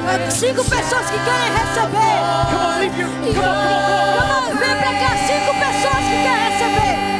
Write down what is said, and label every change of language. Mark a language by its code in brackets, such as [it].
[pt] Cinco pessoas que querem receber. [en] Come on, leave your, come on. [pt] Vem pra cá, cinco pessoas que querem receber.